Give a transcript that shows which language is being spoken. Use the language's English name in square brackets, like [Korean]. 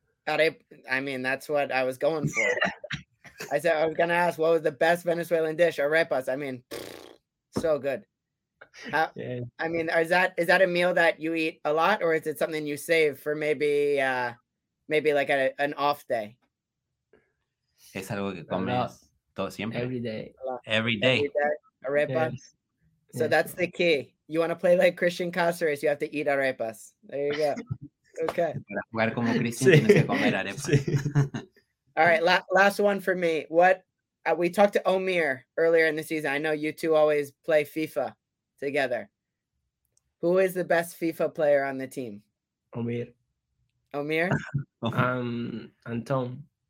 [English] I mean, that's what I was going for. I was going to ask, what was the best Venezuelan dish? Arepas. I mean, so good. I mean, is that a meal that you eat a lot, or is it something you save for maybe like an off day? [Spanish] Es algo que comes todo siempre. [English] Every day. Arepas. Yes. So yes. That's the key. You want to play like Cristian Cásseres, you have to eat arepas. There you go. Okay. [Spanish] Para jugar como Cristian, tienes que comer arepas. [English] All right, last one for me. What we talked to Omir earlier in the season. I know you two always play FIFA together. Who is the best FIFA player on the team? Omir? And Tom.